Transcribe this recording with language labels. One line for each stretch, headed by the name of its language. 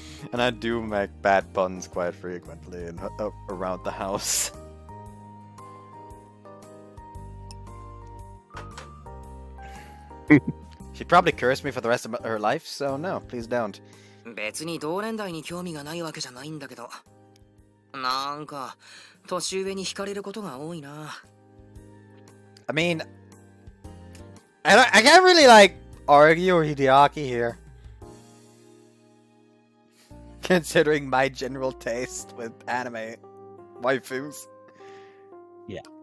English: And I do make bad puns quite frequently in, around the house. She probably curse me for the rest of her life, so no, please don't.
Japanese: 別に同年代に興味がないわけじゃないんだけど、なんか年上に惹かれることが多いな。
English: I mean, I can't really like argue with Hideaki here, considering my general taste with anime waifus. Yeah.